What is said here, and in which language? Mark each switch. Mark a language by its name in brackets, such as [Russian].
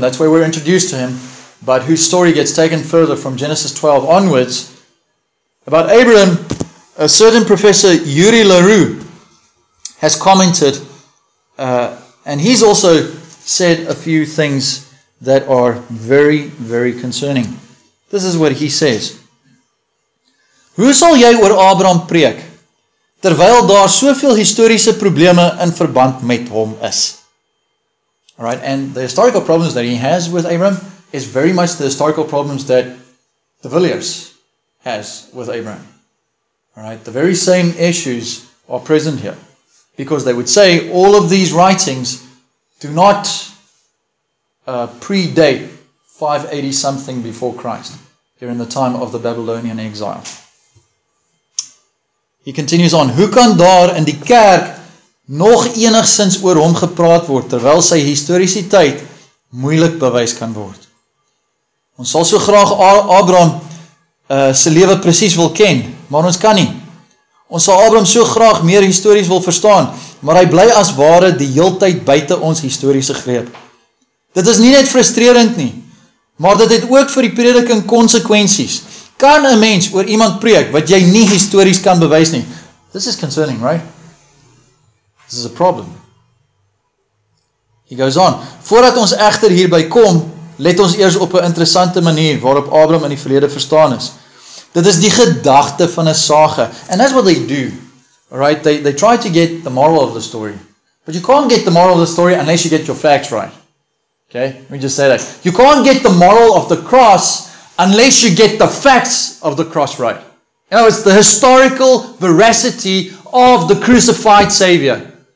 [English] That's where we're introduced to him, but whose story gets taken further from Genesis 12 onwards. About Abraham, a certain professor, Yuri LaRue, has commented, and he's also said a few things that are very, very concerning. This is what he says. [Afrikaans] Hoe sal jy oor Abraham preek, terwyl daar soveel historiese probleme in verband met hom is? [English] All right, and the historical problems that he has with Abraham is very much the historical problems that de Villiers has with Abraham. All right, the very same issues are present here. Because they would say all of these writings do not predate 580-something before Christ, during the time of the Babylonian exile. He continues on, [Afrikaans] hoe kan daar in die kerk nog enigszins oor hom gepraat word, terwyl sy historisiteit moeilik bewys kan word? Ons sal so graag Abraham sy lewe precies wil ken, maar ons kan nie. Ons sal Abraham so graag meer histories wil verstaan, maar hy bly as ware die heeltyd buite ons historiese greep. Dit is nie net frustrerend nie, maar dit het ook vir die prediking konsekwensies. Kan 'n mens oor iemand preek wat jy nie histories kan bewys nie? [English] This is concerning, right? This is a problem. He goes on. [Afrikaans] Voordat ons egter hierby kom, let ons eers op 'n interessante manier waarop Abraham in die verlede verstaan is. Dit is die gedagte van 'n sage. [English] And that's what they do. Right? They try to get the moral of the story. But you can't get the moral of the story unless you get your facts right. Okay? Let me just say that. You can't get the moral of the cross unless you get the facts of the cross right. You know, it's the historical veracity of the crucified Savior.